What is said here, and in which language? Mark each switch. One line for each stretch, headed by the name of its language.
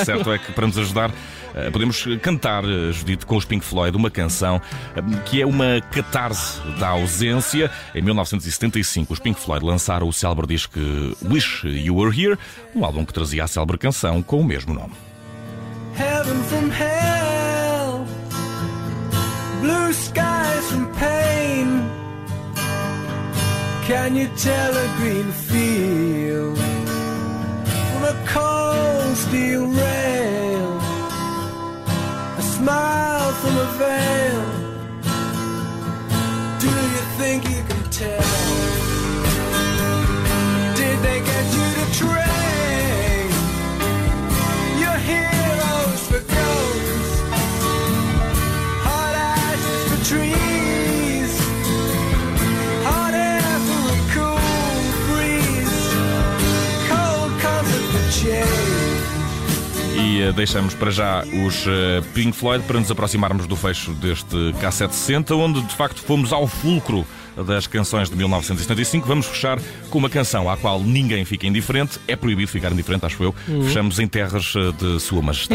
Portuguese: Certo é que, para nos ajudar, podemos cantar, Judito, com os Pink Floyd, uma canção que é uma catarse da ausência. Em 1975, os Pink Floyd lançaram o célebre disco Wish You Were Here, um álbum que trazia a célebre canção com o mesmo nome.
English: Heaven from hell, blue skies from pain. Can you tell a green field from a cold steel rail? Smile from a veil. Do you think you can tell? Did they get you to train your heroes for ghosts? Hot ashes for trees. Hot air for a cool breeze. Cold comfort for change.
Portuguese: E deixamos para já os Pink Floyd para nos aproximarmos do fecho deste K760, onde de facto fomos ao fulcro das canções de 1975. Vamos fechar com uma canção à qual ninguém fica indiferente. É proibido ficar indiferente, acho eu. Fechamos em terras de Sua Majestade.